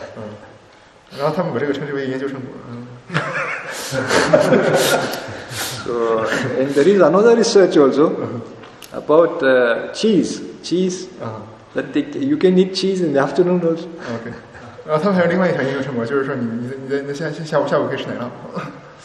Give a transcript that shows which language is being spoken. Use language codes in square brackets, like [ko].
[zh] 嗯，然后他们把这个称之为研究成果。 [en] So, and there is another research also about cheese. That you can eat cheese in the afternoon also. Okay. [zh] 然后他们还有另外一条研究成果，就是说你那下午可以吃奶酪。